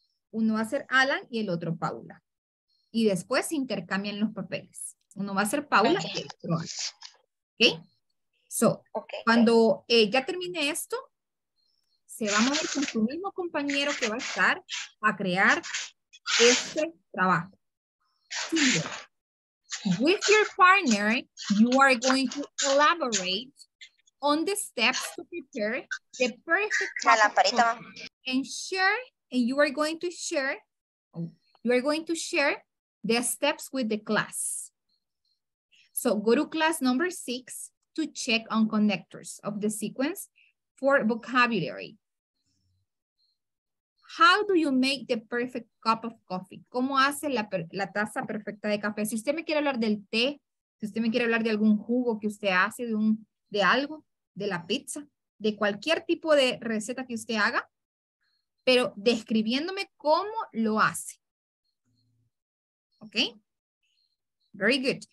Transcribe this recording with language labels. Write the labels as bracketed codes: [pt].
[es] Uno va a ser Alan y el otro Paula. Y después se intercambian los papeles. Uno va a ser Paula y el otro Alan. ¿Ok? So, cuando ya termine esto, se va a mover con su mismo compañero que va a estar a crear este trabajo. [en] With your partner, you are going to elaborate on the steps to prepare the perfect and share, and you are going to share, the steps with the class. So go to class number 6 to check on connectors of the sequence for vocabulary. How do you make the perfect cup of coffee? [es] ¿Cómo hace la taza perfecta de café? Si usted me quiere hablar del té, si usted me quiere hablar de algún jugo que usted hace, de algo, de la pizza, de cualquier tipo de receta que usted haga, pero describiéndome cómo lo hace. ¿Ok? [en] Very good.